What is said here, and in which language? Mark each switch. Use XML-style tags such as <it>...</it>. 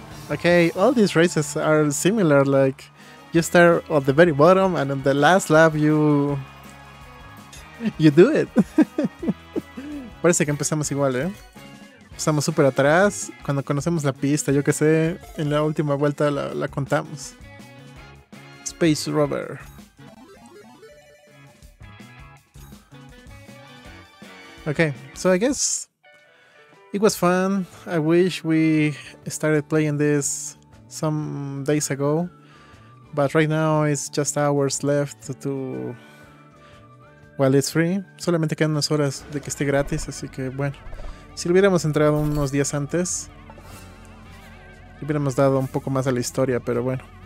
<en>Okay, all these races are similar, like you start at the very bottom and in the last lap you do it.</en> <es>Parece que empezamos igual, eh. Estamos súper atrás, cuando conocemos la pista, yo que sé, en la última vuelta la contamos.</es> <en>Space Rover. Okay, so I guess It was fun. I wish we started playing this some days ago, but right now it's just hours left to while it's free.</en> <es>Solamente quedan unas horas de que esté gratis, así que bueno. Si lo hubiéramos entrado unos días antes, hubiéramos dado un poco más a la historia, pero bueno.</es>